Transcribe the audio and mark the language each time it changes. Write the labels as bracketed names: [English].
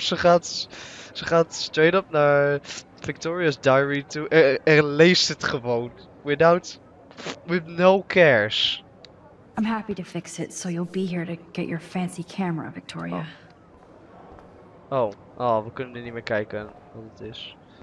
[Dutch] Ze gaat [English] straight up [Dutch] naar Victoria's diary toe en leest het gewoon. [English] With no cares. I'm happy to fix it, so you'll be here to get your fancy camera, Victoria. [Dutch] Oh, we kunnen er niet meer kijken wat het is.